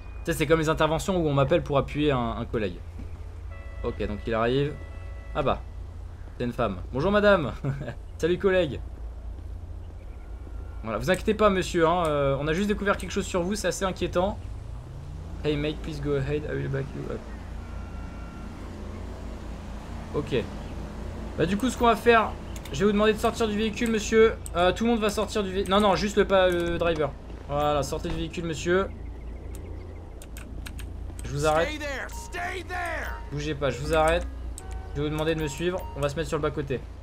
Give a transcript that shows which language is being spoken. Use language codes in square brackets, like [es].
[fr] Tu sais, c'est comme les interventions où on m'appelle pour appuyer un collègue. Ok, donc il arrive. Ah bah, c'est une femme. Bonjour madame. Salut collègue. Voilà, vous inquiétez pas monsieur, hein, on a juste découvert quelque chose sur vous, c'est assez inquiétant. [en] Hey mate, please go ahead, I will back you up. Ok. [fr] Bah du coup ce qu'on va faire, je vais vous demander de sortir du véhicule monsieur. Tout le monde va sortir du véhicule. Non, juste le driver. Voilà, sortez du véhicule monsieur. Je vous arrête. [en] Stay there, stay there. [fr] Bougez pas, je vous arrête. Je vais vous demander de me suivre, on va se mettre sur le bas côté.